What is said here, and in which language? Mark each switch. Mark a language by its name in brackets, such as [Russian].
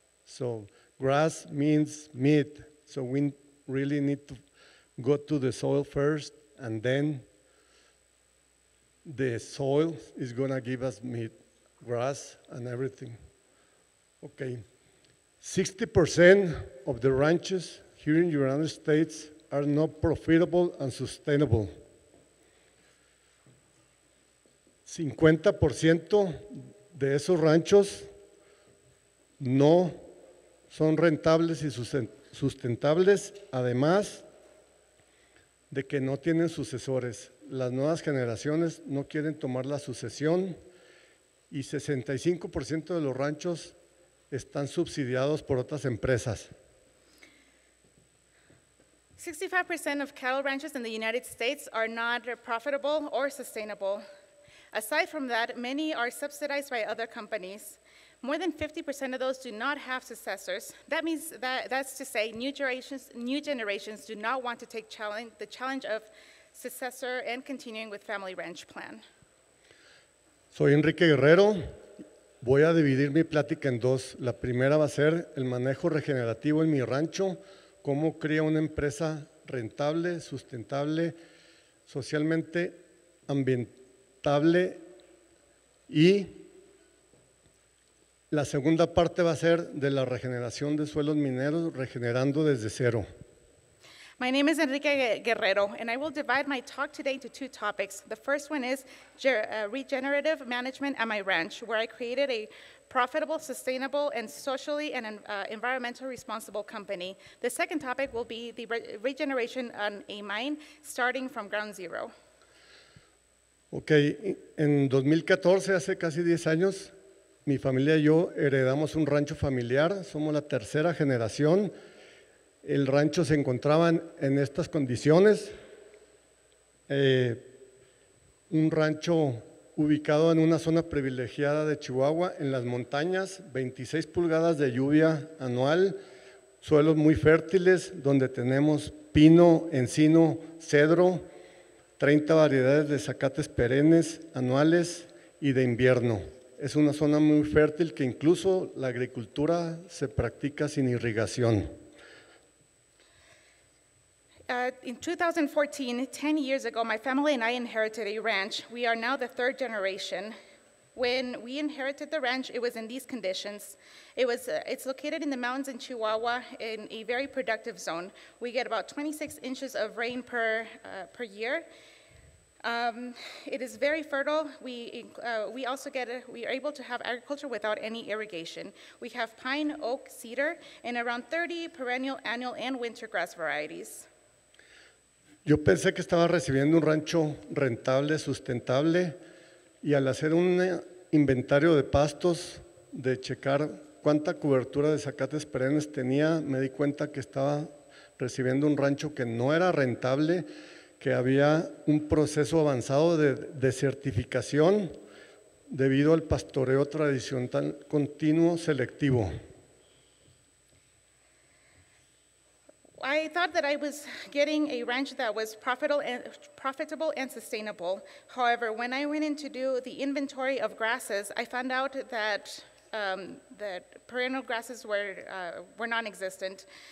[English] So grass means meat. So we really need to go to the soil first, and then the soil is gonna give us meat, grass, and everything. Okay, 60% of the ranches here in the United States are not profitable and sustainable. [Spanish] 50% de esos ranchos no son rentables y sustentables, además de que no tienen sucesores. Las nuevas generaciones no quieren tomar la sucesión y 65% de los ranchos están subsidiados por otras empresas. [English] 65% of cattle ranches in the United States are not profitable or sustainable. Aside from that, many are subsidized by other companies. More than 50% of those do not have successors. That means that's to say new generations do not want to take the challenge of successor and continuing with family ranch plan. [Spanish] Soy Enrique Guerrero. Voy a dividir mi plática en dos. La primera va a ser el manejo regenerativo en mi rancho. ¿Cómo crea una empresa rentable, sustentable, socialmente ambientable? Y la segunda parte va a ser de la regeneración de suelos mineros, regenerando desde cero. [English] My name is Enrique Guerrero, and I will divide my talk today into two topics. The first one is regenerative management at my ranch, where I created a profitable, sustainable, and socially and environmentally responsible company. The second topic will be the regeneration on a mine, starting from ground zero. [Spanish] Okay, en 2014, hace casi 10 años, mi familia y yo heredamos un rancho familiar, somos la tercera generación. El rancho se encontraba en estas condiciones, un rancho ubicado en una zona privilegiada de Chihuahua, en las montañas, 26 pulgadas de lluvia anual, suelos muy fértiles, donde tenemos pino, encino, cedro, 30 variedades de zacates perennes anuales y de invierno. Es una zona muy fértil que incluso la agricultura se practica sin irrigación. [English] In 2014, 10 years ago, my family and I inherited a ranch. We are now the third generation. When we inherited the ranch, it was in these conditions. It's located in the mountains in Chihuahua in a very productive zone. We get about 26 inches of rain per year. It is very fertile. We are able to have agriculture without any irrigation. We have pine, oak, cedar, and around 30 perennial, annual, and winter grass varieties. [Spanish] Yo pensé que estaba recibiendo un rancho rentable, sustentable, y al hacer un inventario de pastos, de checar cuánta cobertura de zacates perennes tenía, me di cuenta que estaba recibiendo un rancho que no era rentable, que había un proceso avanzado de desertificación debido al pastoreo tradicional continuo selectivo. [English] I thought that I was getting a ranch that was profitable and sustainable. However, when I went in to do the inventory of grasses, I found out that perennial grasses were non-existent.